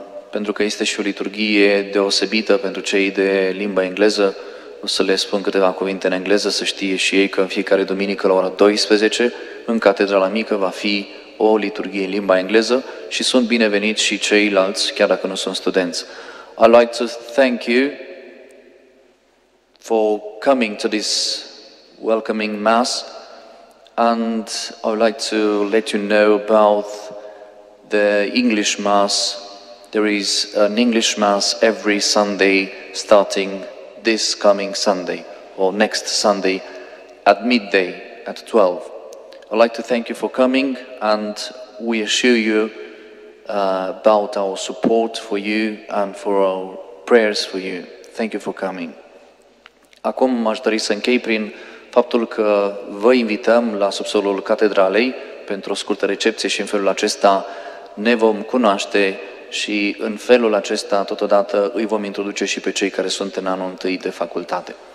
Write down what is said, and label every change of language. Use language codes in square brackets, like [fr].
[ro] Pentru că este și o liturghie deosebită pentru cei de limba engleză, o să le spun câteva cuvinte în engleză, să știe și ei că în fiecare duminică la ora 12 în Catedrala Mică va fi o liturghie în limba engleză și sunt bineveniți și ceilalți, chiar dacă nu sunt studenți. [en] I'd like to thank you for coming to this welcoming mass, and I would like to let you know about the English mass. There is an English mass every Sunday starting this coming Sunday or next Sunday at midday at 12. I'd like to thank you for coming, and we assure you about our support for you and for our prayers for you. Thank you for coming. [ro] Acum aș dori să închei prin faptul că vă invităm la subsolul catedralei pentru o scurtă recepție și în felul acesta ne vom cunoaște și în felul acesta totodată îi vom introduce și pe cei care sunt în anul întâi de facultate.